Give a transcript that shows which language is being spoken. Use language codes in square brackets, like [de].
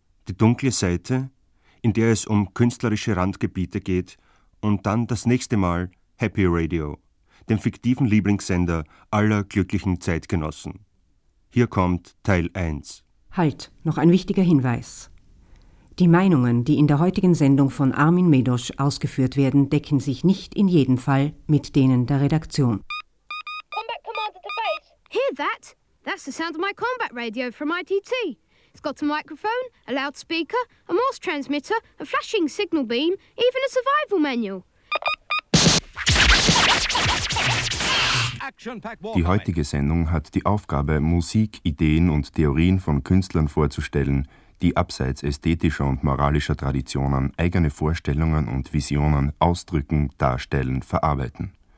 [de] Die dunkle Seite, in der es um künstlerische Randgebiete geht, und dann das nächste Mal Happy Radio, den fiktiven Lieblingssender aller glücklichen Zeitgenossen. Hier kommt Teil 1. Halt, noch ein wichtiger Hinweis. Die Meinungen, die in der heutigen Sendung von Armin Medosch ausgeführt werden, decken sich nicht in jedem Fall mit denen der Redaktion. [en] Combat Commander to base. Hear that? That's the sound of my combat radio from ITT. It's got a microphone, a loudspeaker, a Morse transmitter, a flashing signal beam, even a survival manual. [de] Die heutige Sendung hat die Aufgabe, Musik, Ideen und Theorien von Künstlern vorzustellen, die abseits ästhetischer und moralischer Traditionen eigene Vorstellungen und Visionen ausdrücken, darstellen, verarbeiten.